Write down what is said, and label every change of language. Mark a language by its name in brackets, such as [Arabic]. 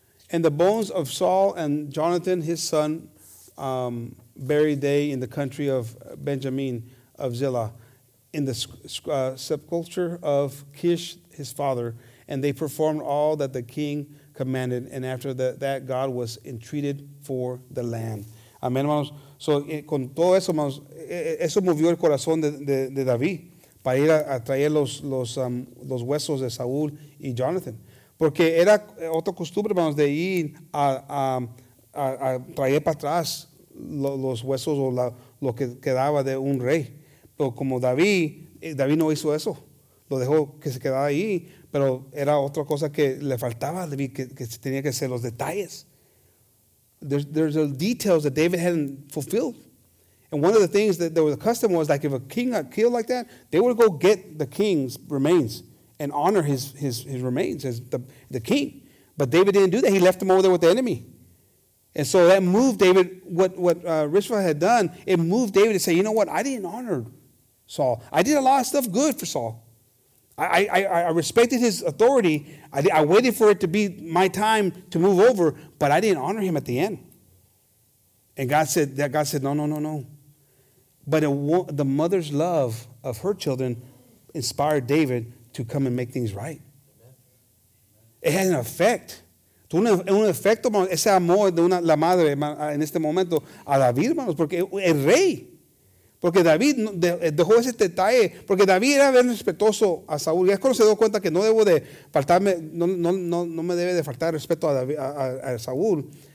[English] And the bones of Saul and Jonathan, his son, buried they in the country of Benjamin of Zillah, in the sepulchre of Kish, his father. And they performed all that the king commanded. And after that God was entreated for the land. [Spanish] Amen, hermanos. So, con todo eso, hermanos, eso movió el corazón de David, para ir a traer los huesos de Saúl y Jonathan. Porque era otra costumbre, hermanos, de ir a traer para atrás los huesos o lo que quedaba de un rey. Pero como David no hizo eso, lo dejó que se quedara ahí, pero era otra cosa que le faltaba a David, que tenía que ser los detalles. [English] There's details that David hadn't fulfilled. And one of the things that there was a custom was, like, if a king got killed like that, they would go get the king's remains and honor his remains as the king. But David didn't do that. He left them over there with the enemy. And so that moved David. What Rishpa had done, it moved David to say, you know what? I didn't honor Saul. I did a lot of stuff good for Saul. I respected his authority. I waited for it to be my time to move over, but I didn't honor him at the end. And God said, no. But the mother's love of her children inspired David to come and make things right. It had an effect. [Spanish] Un efecto, ese amor de la madre en este momento a David, hermanos, porque el rey. Porque David dejó ese detalle. Porque David era bien respetuoso a Saúl. Y es cuando se dio cuenta que no debo de faltarme, no me debe de faltar respeto a Saúl.